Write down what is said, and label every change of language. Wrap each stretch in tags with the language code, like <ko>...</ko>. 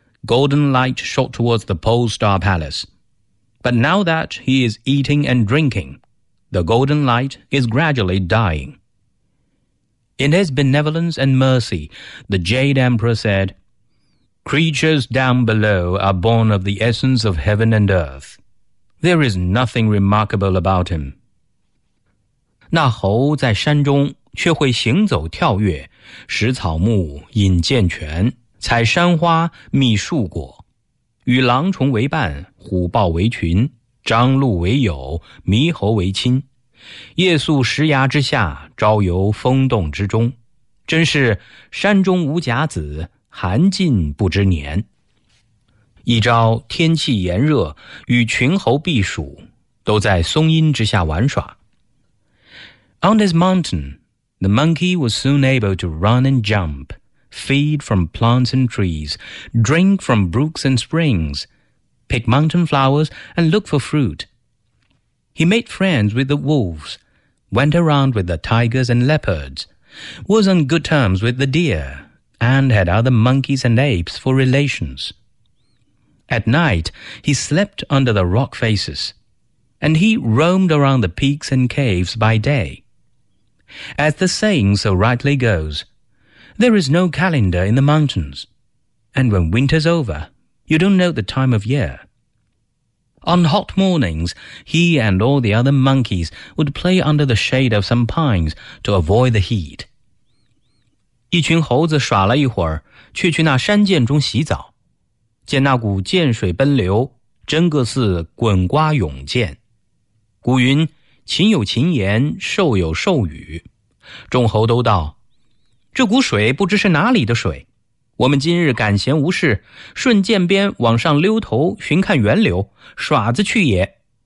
<en>golden light shot towards the Pole Star Palace. But now that he is eating and drinking, the golden light is gradually dying. In his benevolence and mercy, the Jade Emperor said, Creatures down below are born of the essence of heaven and earth. There is nothing remarkable about him.</en> <zh>那猴在山中却会行走跳跃，食草木，饮涧泉，采山花，觅树果，与狼虫为伴，虎豹为群，张鹿为友，猕猴为亲，夜宿石崖之下，朝游风洞之中，真是山中无甲子，寒尽不知年。一朝天气炎热，与群猴避暑，都在松阴之下玩耍。</zh> <en>On this mountain, the monkey was soon able to run and jump, feed from plants and trees, drink from brooks and springs, pick mountain flowers and look for fruit. He made friends with the wolves, went around with the tigers and leopards, was on good terms with the deer, and had other monkeys and apes for relations. At night, he slept under the rock faces, and he roamed around the peaks and caves by day. As the saying so rightly goes, there is no calendar in the mountains, and when winter's over, you don't know the time of year. On hot mornings, he and all the other monkeys would play under the shade of some pines to avoid the heat.</en> <zh>一群猴子耍了一会儿，却去那山涧中洗澡，见那股涧水奔流，真个似滚瓜涌涧。古云禽有禽言，兽有兽语。众猴都道：这股水不知是哪里的水，我们今日赶闲无事，顺涧边往上溜头寻看源流，耍子去也。</zh>